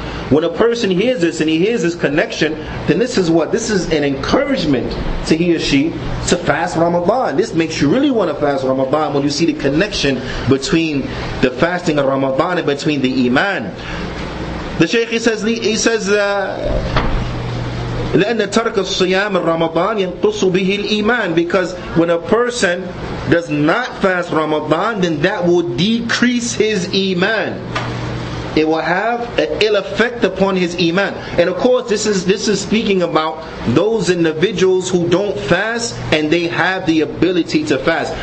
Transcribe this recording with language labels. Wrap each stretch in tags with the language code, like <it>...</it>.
<en>When a person hears this and he hears this connection, then this is what? This is an encouragement to he or she to fast Ramadan. This makes you really want to fast Ramadan when you see the connection between the fasting of Ramadan and between the iman. The Shaykh, he says,</en> <ar>لأن ترك الصيام الرمضان ينقص به الإيمان.</ar> <en>Because when a person does not fast Ramadan, then that will decrease his iman. It will have an ill effect upon his iman. And of course, this is speaking about those individuals who don't fast and they have the ability to fast.</en>